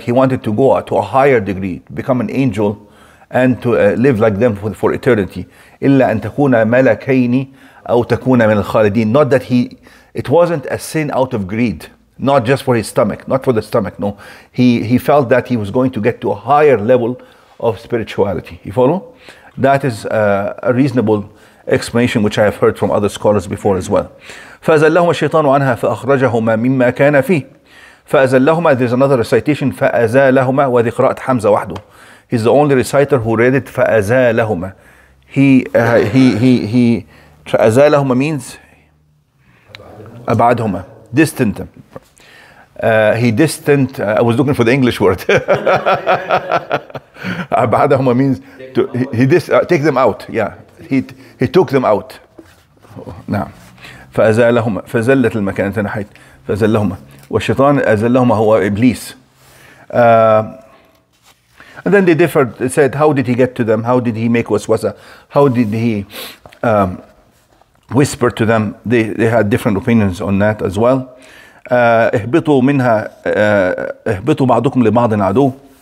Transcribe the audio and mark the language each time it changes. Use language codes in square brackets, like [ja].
[en] He wanted to go to a higher degree, become an angel, and to live like them for eternity. [ar] إلا أن تكون ملكين أو تكون من الخالدين. [en] Not that he, it wasn't a sin out of greed. Not just for his stomach, not for the stomach, no. He felt that he was going to get to a higher level of spirituality. You follow? That is a reasonable explanation which I have heard from other scholars before as well. [ar] فَأَزَلَّهُمَا الشَّيْطَانُ عَنْهَا فَأَخْرَجَهُمَا مِمَّا كَانَ فِيهِ فَأَزَلَّهُمَا, [en] there's another recitation, [ar] فَأَزَالَهُمَا وَذِقْرَأَتْ حَمْزَ وَحْدُ. [en] He's the only reciter who read it, فَأَزَالَهُمَا. He أَزَالَهُمَا means أَبْعَدْهُمَا, distant them. I was looking for the English word. Abadahuma means to, take them out. Yeah, he took them out. نعم. [ar] فأزالهما فزلت المكان تنحيت فزلهما والشيطان أزلهما هو إبليس. [en] And then they differed. They said, how did he get to them? How did he make waswasa? How did he whisper to them? They had different opinions on that as well. [ar] اهبطوا منها اهبطوا بعضكم لبعض عدو.